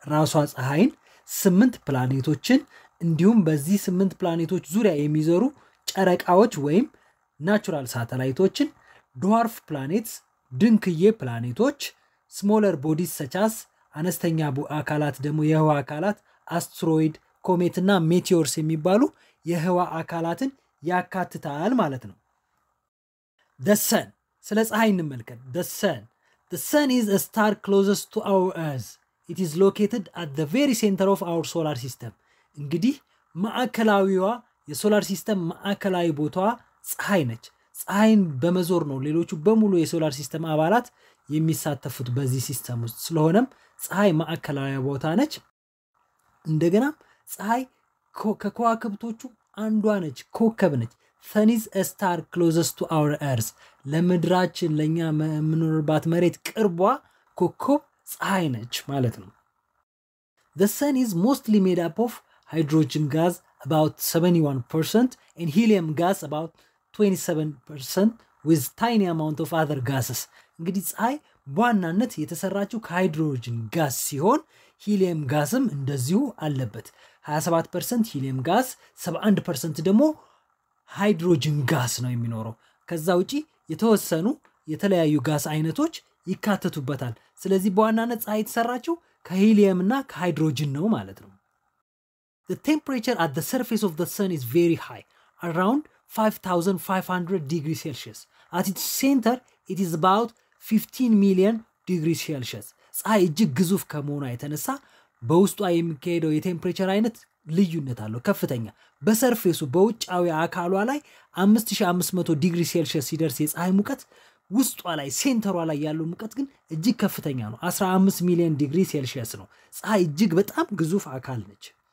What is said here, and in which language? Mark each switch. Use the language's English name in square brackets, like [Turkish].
[Amharic] ራሷ ፀሐይን፣ 8 ፕላኔቶችን እንዲሁም በዚህ 8 ፕላኔቶች ዙሪያ የሚዞሩ ጨረቃዎች ወይም ናቹራል ሳተላይቶችን፣ ድዋርፍ ፕላኔትስ ድንክዬ ፕላኔቶች፣ [English] ስሞለር ቦዲስ ሰቻስ [Amharic] አነስተኛ አካላት ደግሞ የህዋ አካላት አስትሮይድ፣ ኮሜት እና ሜቴዎርስ የሚባሉ የህዋ አካላትን ያካትታል ማለት ነው። ዘ ሰን ስለ ፀሐይ እንመልከት። [English] The sun is a star closest to our earth. It is located at the very center of our solar system. [Amharic] እንግዲህ ማዕከላዊዋ የሶላር ሲስተም ማዕከላዊ ቦታ ፀሐይ ነች። ፀሐይን በመዞር ነው ሌሎቹ በሙሉ የሶላር ሲስተም አባላት የሚሳተፉት በዚህ ሲስተም ውስጥ። ስለሆነም ፀሐይ ማዕከላዊ ቦታ ነች። እንደገናም ፀሐይ ከከዋክብቶቹ አንዷ ነች፣ ኮከብ ነች። [English] Sun is a star closest to our earth. [Amharic] ለምድራችን ለኛ የምንኖርባት መሬት ቅርቧ ኮከብ ፀሐይ ነች ማለት ነው። [English] The sun is mostly made up of hydrogen gas about 71% and helium gas about 27% with tiny amount of other gases. [Amharic] እንግዲህ ፀሐይ በዋናነት የተሰራችው ከሃይድሮጅን ጋዝ ሲሆን ሂሊየም ጋዝም እንደዚሁ አለበት። 27% ሂሊየም ጋዝ፣ 71% ደግሞ ሃይድሮጅን ጋዝ ነው የሚኖረው። ከዛ ውጪ የተወሰኑ የተለያዩ ጋዝ አይነቶች ይካተቱበታል። ስለዚህ በዋናነት ፀሐይ የተሰራችው ከሂሊየምና ከሃይድሮጅን ነው ማለት ነው። [English] The temperature at the surface of the sun is very high, around 5500 degrees Celsius. At its center, it is about 15 million degrees Celsius. [Amharic] ፀሐይ እጅግ ግዙፍ ከመሆኗ የተነሳ በውስጧ የሚካሄደው የቴምፕሬቸር አይነት ልዩነት አለው፣ ከፍተኛ። በሰርፌሱ በውጫዊ አካሏ ላይ 5500 ዲግሪ ሴልሺየስ ሲደርስ የፀሐይ ሙቀት፣ ውስጧ ላይ ሴንተሯ ላይ ያለው ሙቀት ግን እጅግ ከፍተኛ ነው፣ 15 ሚሊዮን ዲግሪ ሴልሺየስ ነው። ፀሐይ እጅግ በጣም ግዙፍ አካል ነች።